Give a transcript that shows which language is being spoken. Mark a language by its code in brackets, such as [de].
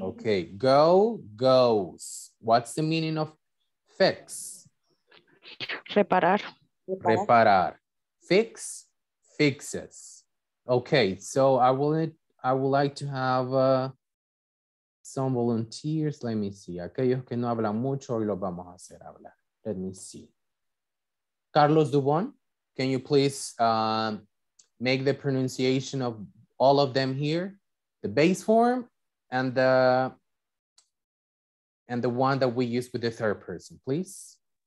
[en] Okay, go, goes. What's the meaning of fix? [es] Reparar. [en] Reparar. Fix, fixes. Okay, so I would like to have some volunteers. Let me see. [es] Aquellos que no hablan mucho, hoy los vamos a hacer hablar. [en] Let me see. Carlos Dubon, can you please make the pronunciation of all of them here? The base form and the one that we use with the third person, please.